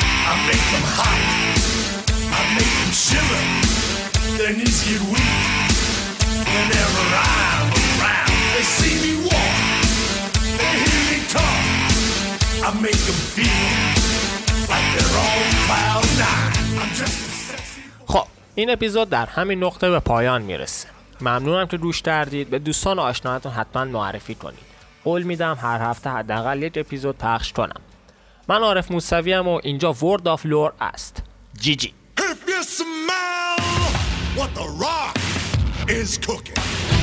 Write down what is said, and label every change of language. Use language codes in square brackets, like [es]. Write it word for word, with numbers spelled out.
[en] I make them hot, I make them shiver. Their knees get weak whenever I'm around. They see me walk, they hear me talk, I make them feel like they're all cloud nine. I'm just a sexy boy. [fa] خب این اپیزود در همین نقطه به پایان میرسه. ممنونم که گوش کردید. به دوستان و آشناهاتون حتما معرفی کنید. قول میدم هر هفته حداقل یک اپیزود پخش کنم. من عارف موسوی ام و اینجا World of Lore است. [en] جی جی. If you smell what the rock is cooking.